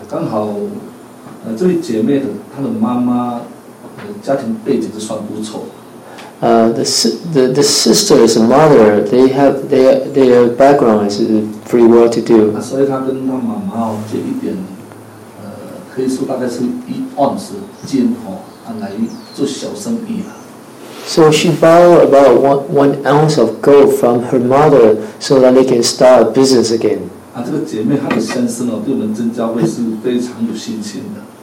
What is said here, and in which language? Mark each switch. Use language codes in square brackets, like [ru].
[zh] 刚好，这位姐妹的她的妈妈，家庭背景就算不错。 [en] The sister's mother, their background is pretty well to do. [zh] 所以她跟她妈妈借一点，可以说大概是一盎司金来做小生意了。 [en] So she borrowed about one ounce of gold from her mother so that they can start a business again. [zh] 这个姐妹她的先生哦，对我们真教会是非常有信心的。